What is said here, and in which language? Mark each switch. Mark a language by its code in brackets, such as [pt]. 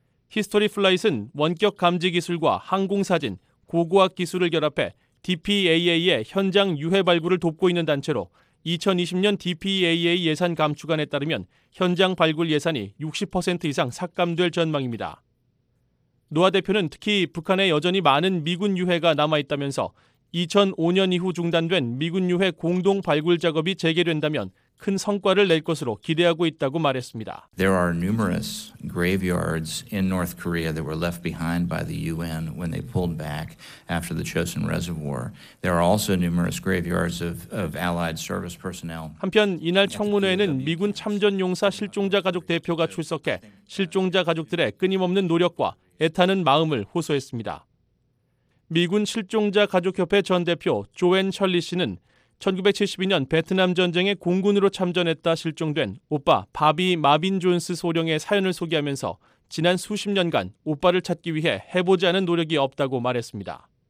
[ko] 히스토리 플라잇은 원격 감지 기술과 항공사진, 고고학 기술을 결합해 DPAA의 현장 유해 발굴을 돕고 있는 단체로 2020년 DPAA 예산 감축안에 따르면 현장 발굴 예산이 60% 이상 삭감될 전망입니다. 노아 대표는 특히 북한에 여전히 많은 미군 유해가 남아있다면서 2005년 이후 중단된 미군 유해 공동 발굴 작업이 재개된다면 큰 성과를 낼 것으로 기대하고 있다고 말했습니다. [en] There are numerous graveyards in North Korea that were left behind by the UN when they pulled back after the Chosin Reservoir. There are also numerous graveyards of allied service personnel. [ko] 한편 이날 청문회에는 미군 참전 용사 실종자 가족 대표가 출석해 실종자 가족들의 끊임없는 노력과 애타는 마음을 호소했습니다. 미군 실종자 가족협회 전 대표 조앤 셜리 씨는 1972년 베트남 전쟁에 공군으로 참전했다 실종된 오빠 바비 마빈 존스 소령의 사연을 소개하면서 지난 수십 년간 오빠를 찾기 위해 해보지 않은 노력이 없다고 말했습니다.